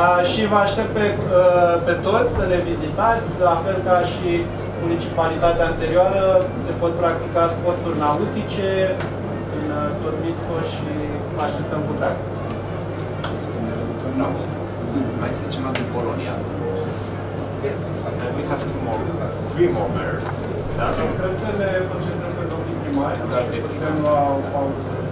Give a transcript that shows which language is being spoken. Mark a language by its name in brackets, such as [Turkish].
[Romanian] Și vă aștept pe, pe toți să ne vizitați, la fel ca și municipalitatea anterioară, se pot practica sporturi nautice în Turbițco și vă așteptăm cu drag. Mai este ceva din Polonia. [English] Yes, and we have two more, three more mayors. Yes. [Romanian] Să concentrăm pe domnii primari și putem lua o pauză.